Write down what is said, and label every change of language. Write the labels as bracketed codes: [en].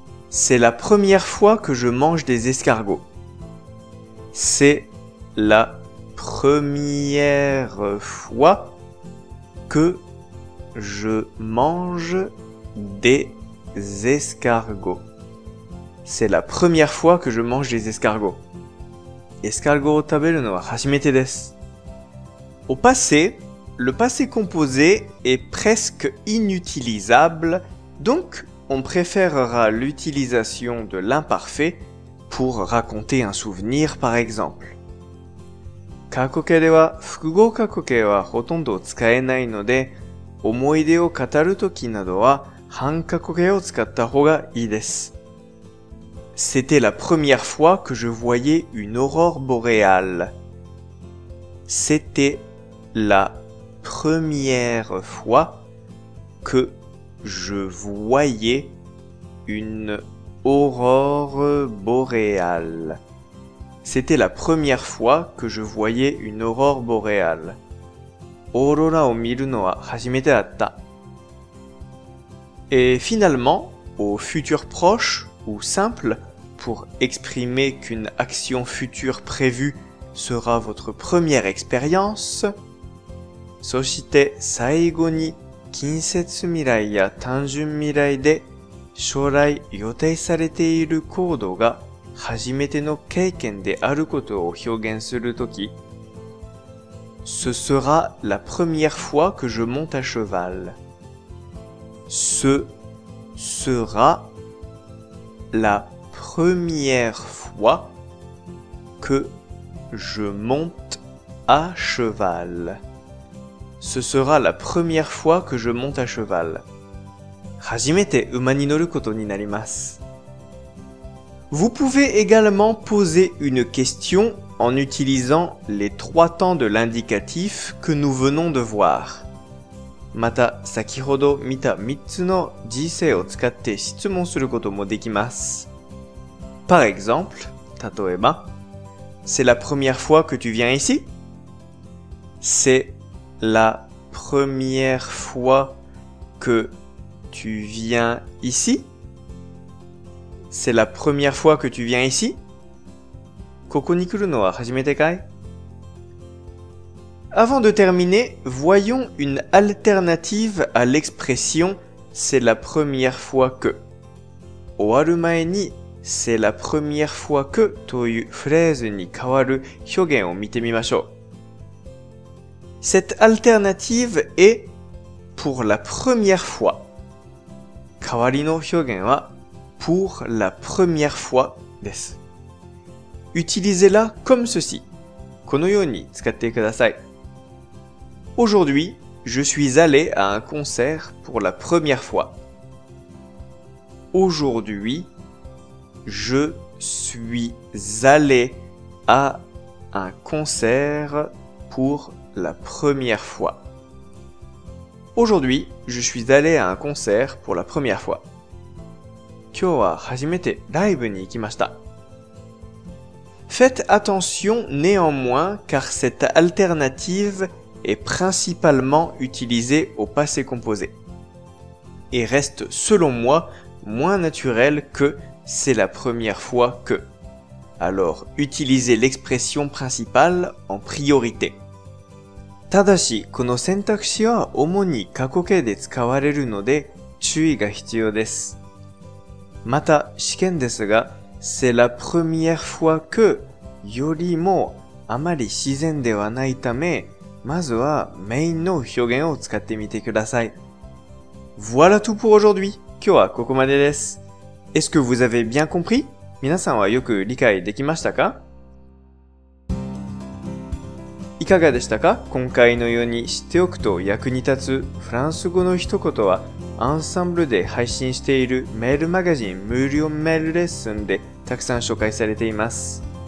[fr] C'est la première fois que je mange des escargots. C'est la première fois que je mange des escargots. C'est la première fois que je mange des escargots. [ja] Escargot を食べるのは初めてです。 [fr] Au passé, le passé composé est presque inutilisable, donc on préférera l'utilisation de l'imparfait pour raconter un souvenir par exemple. [ja] 過去形では複合過去形はほとんど使えないので、思い出を語るときなどは半過去形を使った方がいいです。 [fr] C'était la première fois que je voyais une aurore boréale. C'était la première fois que je voyais une aurore boréale. C'était la première fois que je voyais une aurore boréale. [ja] Aurora を見るのは初めてだった。 [fr] Et finalement, au futur proche ou simple,pour exprimer qu'une action future prévue sera votre première expérience. [ja] そして最後に近接未来や単純未来で将来予定されている行動が初めての経験であることを表現するとき。 [fr] Ce sera la première fois que je monte à cheval. Ce sera la première fois que je monte à cheval. Ce sera la première fois que je monte à cheval. [ja] 初めて馬に乗ることになります。 [fr] Vous pouvez également poser une question en utilisant les trois temps de l'indicatif que nous venons de voir. [ja] また先ほど見た3つの時制を使って質問することもできます。 [fr] Par exemple, Tatoema, c'est la première fois que tu viens ici? C'est la première fois que tu viens ici? C'est la première fois que tu viens ici? [ja] ここに来るのは初めてかい? [fr] Avant de terminer, voyons une alternative à l'expression c'est la première fois que. [ja] 終わる前に [fr] C'est la première fois que [ja] というフレーズに変わる表現を見てみましょう。 [fr] Cette alternative est pour la première fois. [ja] 代わりの表現は [fr] pour la première fois [ja] です。 [fr] Utilisez-la comme ceci. [ja] このように使ってください。 [fr] Aujourd'hui, je suis allé à un concert pour la première fois. Aujourd'hui,Je suis allé à un concert pour la première fois. Aujourd'hui, je suis allé à un concert pour la première fois. [ja] 今日は初めてライブに行きました。 [fr] Faites attention néanmoins car cette alternative est principalement utilisée au passé composé et reste selon moi moins naturelle que C'est la première fois que. Alors, utilisez l'expression principale en priorité. [ja] ただし、この選択肢は主に過去形で使われるので注意が必要です。また、試験ですが、 [fr] C'est la première fois que [ja] よりもあまり自然ではないため、まずはメインの表現を使ってみてください。 [fr] Voilà tout pour aujourd'hui. [ja] 今日はここまでです。 [fr] Est-ce que vous avez bien compris? [ja] 皆さんはよく理解できましたか? いかがでしたか?今回のように知っておくと役に立つフランス語の一言はアンサンブルで配信しているメールマガジン無料メールレッスンでたくさん紹介されています。